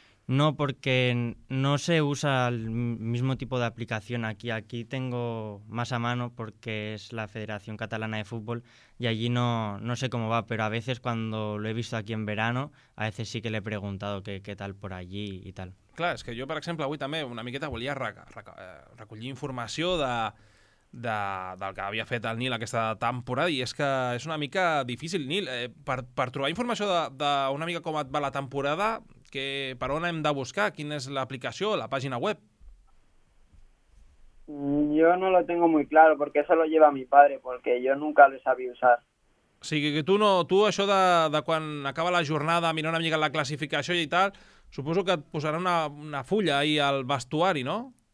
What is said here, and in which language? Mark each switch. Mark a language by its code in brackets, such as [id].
[es] No, porque no se usa el mismo tipo de aplicación aquí. Aquí tengo más a mano porque es la Federación Catalana de Fútbol y allí no sé cómo va, pero a veces cuando lo he visto aquí en verano, a veces sí que le he preguntado qué tal por allí y tal. [ca] Clar, és que jo, per exemple, avui també una miqueta volia recollir informació del que havia fet el Nil aquesta temporada, i és que és una mica difícil, Nil. Per trobar informació d'una mica com et va la temporada, que per on hem de buscar? Quina és l'aplicació, la pàgina web? [es] Yo no lo tengo muy claro, porque eso lo lleva mi padre, porque yo nunca lo sabía usar. [ca] O sigui que tu això de quan acaba la jornada, mirar una mica la classificació i tal, suposo que et posarà una fulla ahí al vestuari, no?